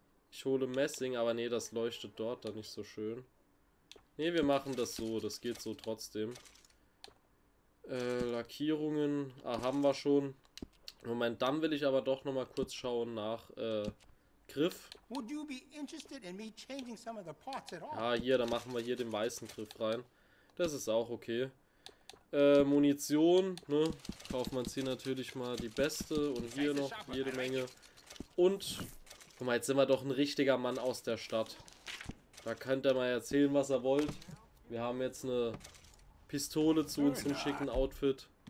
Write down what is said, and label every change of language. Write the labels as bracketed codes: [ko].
[de] Ich hole Messing, aber nee, das leuchtet dort dann nicht so schön. Nee, wir machen das so, das geht so trotzdem. Lackierungen, ah, haben wir schon. Moment, dann will ich aber doch noch mal kurz schauen nach Griff. [en] Would you be interested in me changing some of the parts at [de] Ja, [en] all? [de] hier, da machen wir hier den weißen Griff rein. Das ist auch okay. Munition, ne? Kauft man hier natürlich mal die beste und hier noch jede Menge. Und, guck mal, jetzt sind wir doch ein richtiger Mann aus der Stadt. Da könnt ihr mal erzählen, was er wollt. Wir haben jetzt eine Pistole zu uns im schicken Outfit.